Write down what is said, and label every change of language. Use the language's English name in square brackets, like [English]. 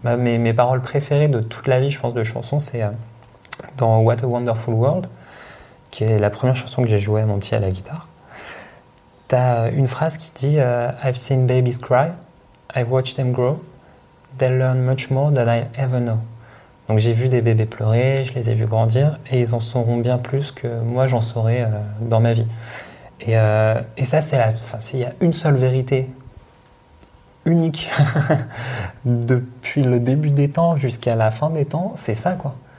[French] Bah, mes paroles préférées de toute la vie, je pense, de chansons, c'est dans What a Wonderful World, qui est la première chanson que j'ai jouée à mon petit à la guitare. tu as une phrase qui dit [English] I've seen babies cry, I've watched them grow, they learn much more than I ever know. [French] Donc j'ai vu des bébés pleurer, je les ai vus grandir et ils en sauront bien plus que moi j'en saurais dans ma vie. Et ça, c'est la. Enfin, s'il y a une seule vérité unique depuis le début des temps jusqu'à la fin des temps, c'est ça, quoi.